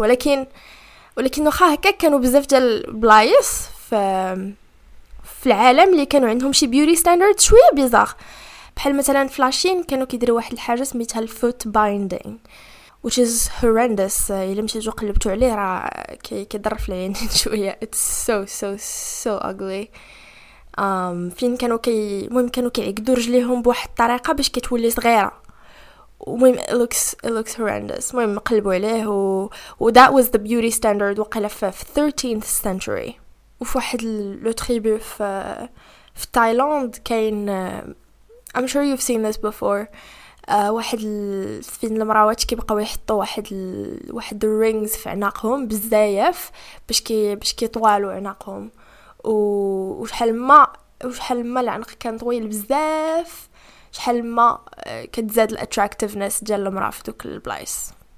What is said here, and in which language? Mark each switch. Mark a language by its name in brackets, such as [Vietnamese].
[Arabic] ولكن واخا هكا كانوا بزاف ديال البلايص في العالم اللي كانوا عندهم شي بيوتي ستاندرد شويه بيزار، بحال مثلا فلاشين كانوا كيديروا واحد الحاجه سميتها الفوت بايندينغ [English] which is horrendous. [Arabic] الا مشيت جو قلبتو عليه راه كيضر في العين شويه. [English] it's so ugly. [Arabic] فين كانوا المهم كانوا كيعقدوا رجليهم بواحد الطريقه باش كتولي صغيره، المهم [English] it looks horrendous. [Arabic] المهم قلبوا عليه و [English] that was the beauty standard [Arabic] وقال في 13th century. وفي واحد لو تريبو في تايلاند كاين [English] I'm sure you've seen this before. [Arabic] واحد فين المراوات كيبقاو يحطوا واحد الرينجز في عناقهم بزاف باش كيطوالوا عناقهم، وشحال ما العنق كان طويل بزاف شحال ما كتزاد الاتراكتيفنس ديال المراه في دوك البلايص.